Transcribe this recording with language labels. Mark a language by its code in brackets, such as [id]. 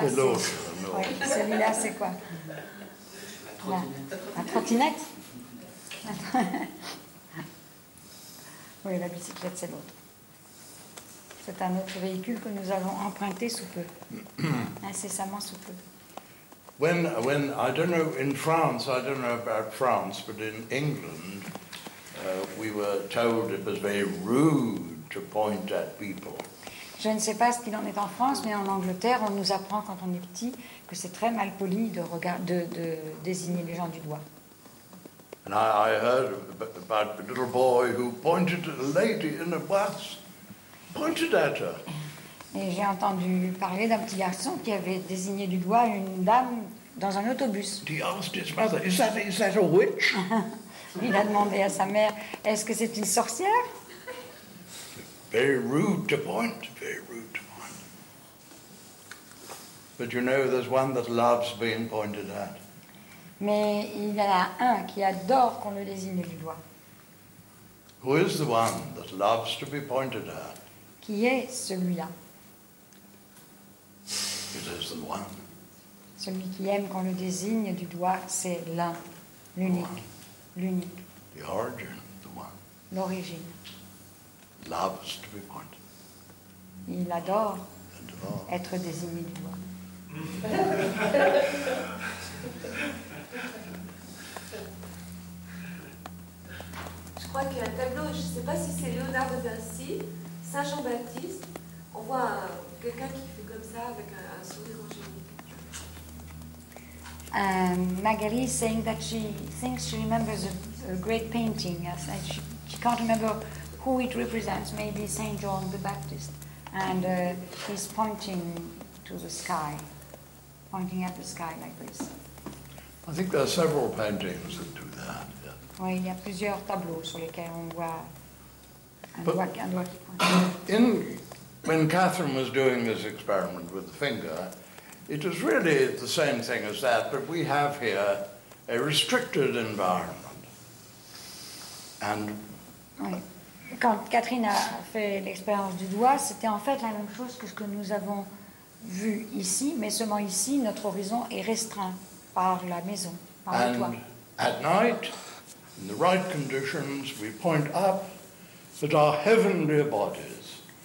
[fr] c'est l'autre. C'est... Ouais. Celui-là, c'est quoi? La trottinette. Oui, la bicyclette, c'est l'autre. C'est un autre véhicule que nous avons emprunté sous peu. Incessamment sous peu. [en] When I don't know, in France, I don't know about France, but in England, we were told it was very rude to point at people. [fr] Je ne sais pas ce qu'il en est en France, mais en Angleterre, on nous apprend quand on est petit que c'est très mal poli de désigner les gens du doigt. [en] And I heard about a little boy who pointed at a lady in a bus, pointed at her. [fr] Et j'ai entendu parler d'un petit garçon qui avait désigné du doigt une dame dans un autobus. [en] He asked his mother, is that a witch? [fr] Il a demandé à sa mère, est-ce que c'est une sorcière? [en] Very rude to point, very rude to point. But you know, there's one that loves being pointed at. [fr] Mais il y en a un qui adore qu'on le désigne du doigt. [en] Who is the one that loves to be pointed at? [fr] Qui est celui-là? [en] It is the one. [fr] Celui qui aime qu'on le désigne du doigt, c'est l'un, l'unique, l'unique. [en] The origin, the one. [fr] L'origine. [en] Loves to be pointed. [fr] Il adore être désigné du doigt. Je crois qu'il y a un tableau, je ne sais pas si c'est Léonard de Vinci, Saint Jean-Baptiste. On voit quelqu'un qui fait comme ça avec un sourire angélique. [en] Magali saying that she thinks she remembers a great painting. Yes, and she can't remember who it represents, maybe Saint John the Baptist, and he's pointing to the sky, pointing at the sky like this. I think there are several paintings that do that. Yeah. [fr] Oui, il y a plusieurs tableaux sur lesquels on voit un doigt qui pointe. [en] When Catherine was doing this experiment with the finger, it was really the same thing as that, but we have here a restricted environment. And [fr] oui. Quand Catherine a fait l'expérience du doigt, c'était en fait la même chose que ce que nous avons vu ici, mais seulement ici, notre horizon est restreint par la maison, par [en] and [fr] le toit. [en] At night, in the right conditions, we point up at our heavenly bodies.